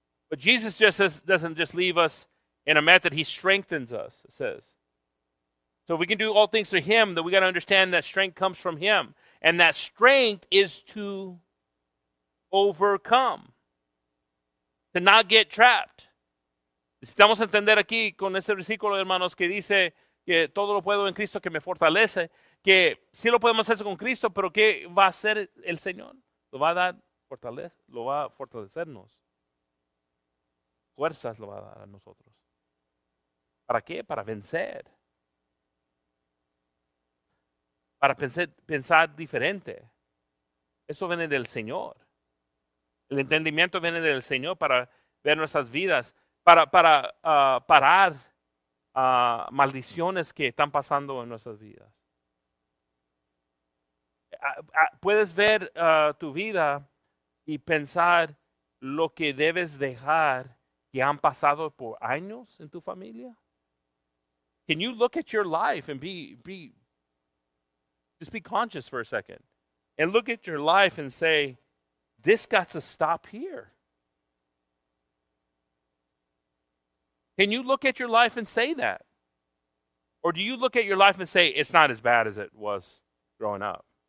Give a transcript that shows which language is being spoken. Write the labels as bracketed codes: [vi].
[en] But Jesus just says, doesn't just leave us in a method, he strengthens us, it says. So if we can do all things through him, then we got to understand that strength comes from him. And that strength is to overcome, to not get trapped. [es] Necesitamos entender aquí con ese versículo, hermanos, que dice que todo lo puedo en Cristo que me fortalece, que sí lo podemos hacer con Cristo, pero ¿qué va a hacer el Señor? Lo va a dar fortaleza, lo va a fortalecernos. Fuerzas lo va a dar a nosotros. ¿Para qué? Para vencer. Para pensar diferente. Eso viene del Señor. El entendimiento viene del Señor para ver nuestras vidas, para parar maldiciones que están pasando en nuestras vidas. Puedes ver tu vida y pensar lo que debes dejar que han pasado por años en tu familia. [en] Can you look at your life and just be conscious for a second and look at your life and say, this got to stop here. Can you look at your life and say that? Or do you look at your life and say, it's not as bad as it was growing up?